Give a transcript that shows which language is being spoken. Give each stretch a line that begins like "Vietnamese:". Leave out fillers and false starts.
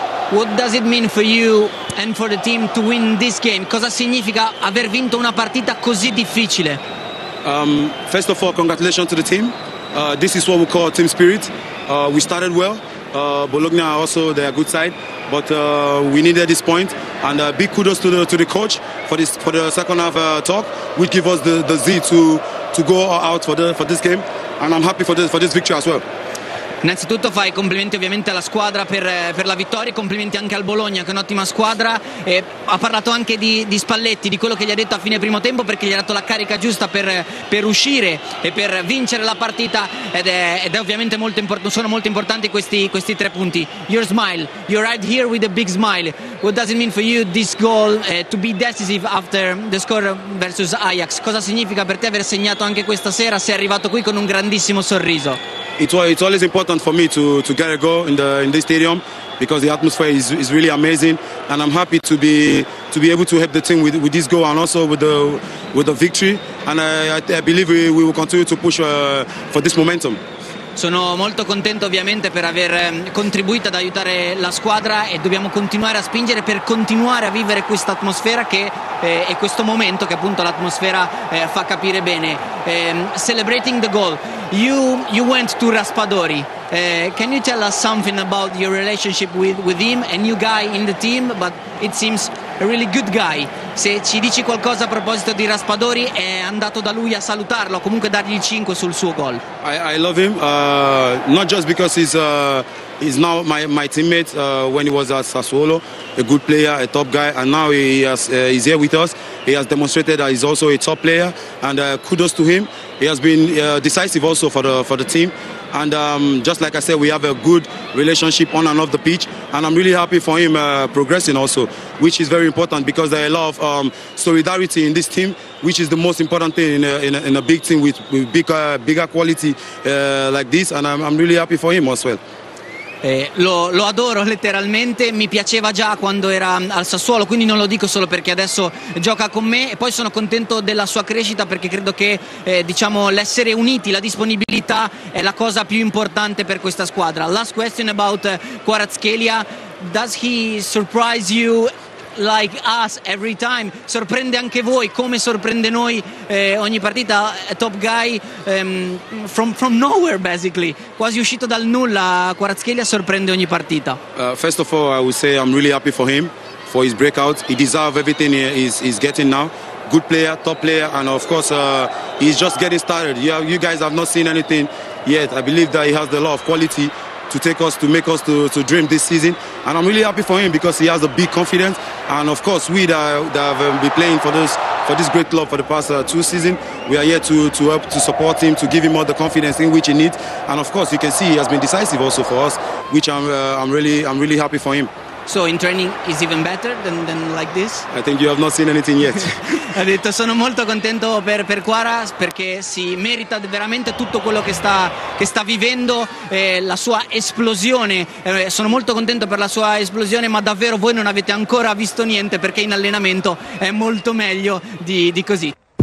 English: What does it mean for you and for the team to win this game?
Italian: Cosa significa aver vinto una partita così difficile?
English: First of all, congratulations to the team. This is what we call team spirit. We started well. Bologna also, they're a good side, but we needed this point. And big kudos to the coach for the second half talk, which give us the Z to go out for this game. And I'm happy for this victory as well.
Italian: Innanzitutto fai complimenti ovviamente alla squadra per la vittoria, complimenti anche al Bologna che è un'ottima squadra. E ha parlato anche di Spalletti, di quello che gli ha detto a fine primo tempo, perché gli ha dato la carica giusta per uscire e per vincere la partita, ed è ovviamente molto sono molto importanti questi tre punti.
English: Your smile, you're right here with a big smile. What does it mean for you this goal to be decisive after the score versus Ajax?
Italian: Cosa significa per te aver segnato anche questa sera? Sei arrivato qui con un grandissimo sorriso.
English: It's always important for me to get a goal in this stadium, because the atmosphere is really amazing, and I'm happy to be able to help the team with this goal and also with the victory, and I believe we will continue to push for this momentum.
Italian: Sono molto contento ovviamente per aver contribuito ad aiutare la squadra, e dobbiamo continuare a spingere per continuare a vivere questa atmosfera e questo momento che appunto l'atmosfera fa capire bene.
English: Celebrating the goal, you went to Raspadori. Can you tell us something about your relationship with him, a new guy in the team, but it seems a really good guy?
Italian: Se ci dici qualcosa a proposito di Raspadori, è andato da lui a salutarlo, comunque dargli il 5 sul suo gol.
English: I love him, not just because he's now my teammate when he was at Sassuolo, a good player, a top guy, and now he's here with us. He has demonstrated that he's also a top player, and kudos to him. He has been decisive also for the team. And just like I said, we have a good relationship on and off the pitch, and I'm really happy for him progressing also, which is very important, because there are a lot of solidarity in this team, which is the most important thing in a big team with bigger quality like this, and I'm really happy for him as well.
Italian: Lo adoro letteralmente, mi piaceva già quando era al Sassuolo, quindi non lo dico solo perché adesso gioca con me, e poi sono contento della sua crescita, perché credo che diciamo l'essere uniti, la disponibilità è la cosa più importante per questa squadra.
English: Last question about Kvaratskhelia. Does he surprise you like us every time?
Italian: Sorprende anche voi come sorprende noi ogni partita?
English: A top guy from nowhere, basically,
Italian: quasi uscito dal nulla, Kvaratskhelia sorprende ogni partita.
English: First of all, I would say I'm really happy for him, for his breakout. He deserves everything he's getting now. Good player, top player, and of course he's just getting started. You guys have not seen anything yet. I believe that he has a lot of quality to take us, to make us to dream this season, and I'm really happy for him because he has a big confidence, and of course we that have been playing for this great club for the past two seasons, we are here to help to support him, to give him all the confidence in which he needs, and of course you can see he has been decisive also for us, which I'm really happy for him. So in training is even better than like this? I think you have not seen anything yet.
Italian: Ha detto sono molto contento per Quara, perché si merita veramente tutto quello che sta vivendo, la sua esplosione. Sono molto contento per la sua esplosione, ma davvero voi non avete ancora visto niente, perché in allenamento è molto meglio di così.